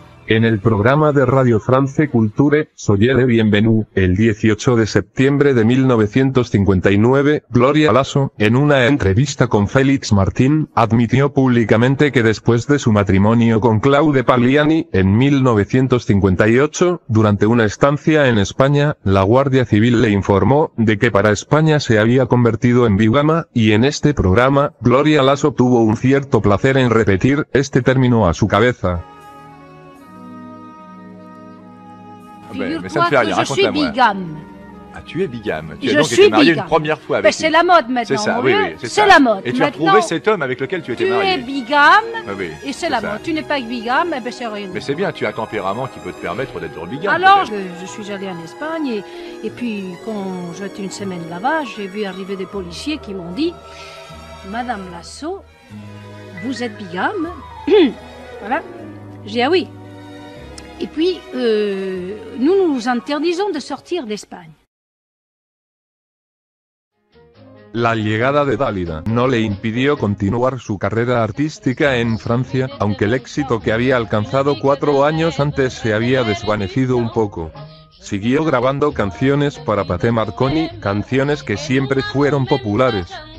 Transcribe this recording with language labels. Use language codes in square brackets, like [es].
[es] En el programa de Radio France Culture, Soyez le Bienvenu, el 18 de septiembre de 1959, Gloria Lasso, en una entrevista con Félix Martín, admitió públicamente que después de su matrimonio con Claude Pagliani, en 1958, durante una estancia en España, la Guardia Civil le informó de que para España se había convertido en bigama, y en este programa, Gloria Lasso tuvo un cierto placer en repetir este término a su cabeza. [fr] Figure-toi que je suis bigame. Ah, tu es bigame. Tu as donc été mariée une première fois avec lui. C'est la mode maintenant. C'est ça, oui, c'est ça. C'est la mode. Et tu as trouvé cet homme avec lequel tu étais mariée. Tu es bigame. Et c'est la mode. Tu n'es pas bigame, mais c'est rien. Mais c'est bien, tu as un tempérament qui peut te permettre d'être bigame. Alors, je suis allée en Espagne et puis quand j'étais une semaine là-bas, j'ai vu arriver des policiers qui m'ont dit Madame Lasso, vous êtes bigame. Voilà. J'ai dit ah oui. Et puis, nous nous interdisons de sortir d'Espagne. [es] La llegada de Dalida no le impidió continuar su carrera artística en Francia, aunque el éxito que había alcanzado 4 años antes se había desvanecido un poco. Siguió grabando canciones para Paté Marconi, canciones que siempre fueron populares.